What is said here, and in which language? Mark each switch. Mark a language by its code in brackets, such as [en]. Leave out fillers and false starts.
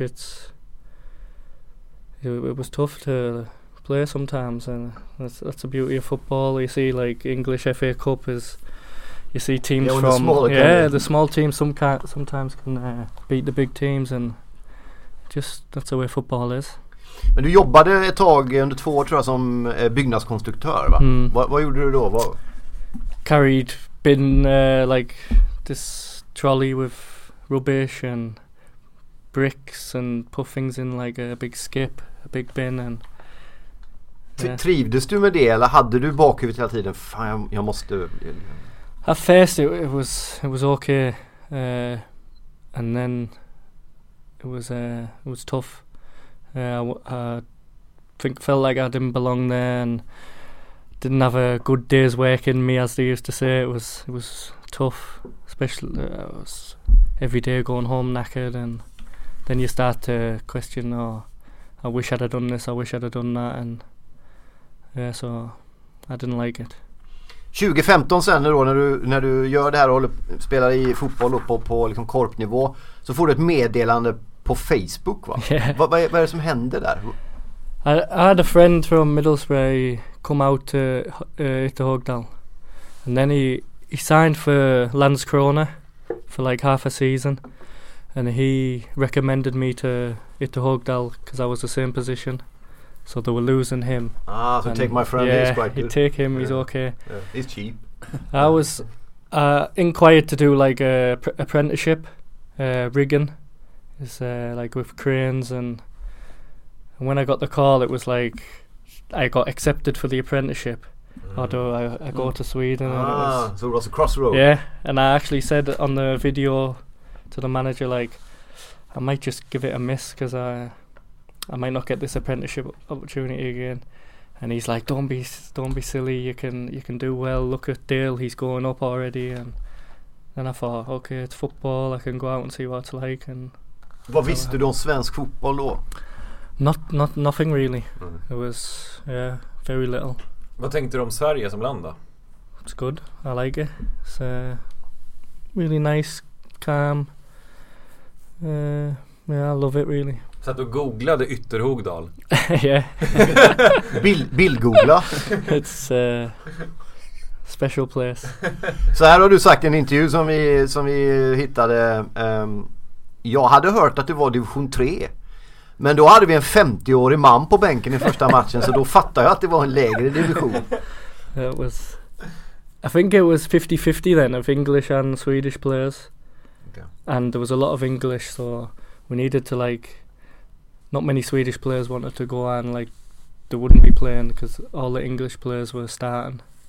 [en] It was tough to play sometimes, and that's the beauty of football. You see, like English FA Cup is, you see teams from the small teams sometimes can beat the big teams, and just that's the way football is. [sv] Men du jobbade ett tag under 2 år tror jag som byggnadskonstruktör, va? Mm. Vad gjorde du då? [en] Carried bin like this trolley with rubbish and bricks and put things in like a big skip, a big bin and [sv] Trivdes du med det, eller hade du bakhuvud hela tiden, fan jag måste? [en] At first it was okay, and then It was tough. I think felt like I didn't belong there, and didn't have a good day's work in me, as they used to say. It was tough, especially I was every day going home knackered, and then you start to question, oh, I wish I'd have done this, I wish I'd have done that, and yeah, so I didn't like it. [sv] 2015 sen då, när du gör det här och spelar i fotboll upp på liksom korpnivå, så får du ett meddelande på Facebook, va? [en] Yeah. [sv] Vad är det som hände där? [en] I had a friend from Middlesbrough come out to Ytterhogdal, and then he signed for Landskrona for like half a season, and he recommended me to Ytterhogdal because I was the same position. So they were losing him. Ah, so take my friend, yeah, he's quite good. You take him, yeah. He's okay. Yeah. He's cheap. I was inquired to do like an apprenticeship, rigging. It's like with cranes, and when I got the call, it was like I got accepted for the apprenticeship. Mm. Although I go to Sweden. Ah, and it was a crossroad. Yeah, and I actually said on the video to the manager, like, I might just give it a miss because I might not get this apprenticeship opportunity again. And he's like, don't be silly, you can do well, look at Dale, he's going up already. And then I thought, okay, it's football, I can go out and see what it's like. And [sv] vad visste du om svensk fotboll då? [en] Nothing really. Mm. It was, yeah, very little. [sv] Vad tänkte du om Sverige som land då? [en] It's good, I like it. It's really nice, calm. Yeah, I love it really. [sv] Så att du googlade Ytterhogdal. [en] Yeah. [sv] Bildgoogla. [en] It's a special place. [sv] Så här har du sagt i en intervju som vi hittade. Jag hade hört att det var division 3. Men då hade vi en 50-årig man på bänken i första matchen, så då fattade jag att det var en lägre division. [en] I think it was 50-50 then of English and Swedish players. Okay. And there was a lot of English, so we needed to like, not many Swedish players wanted to go on, like they wouldn't be playing because all the English players were starting.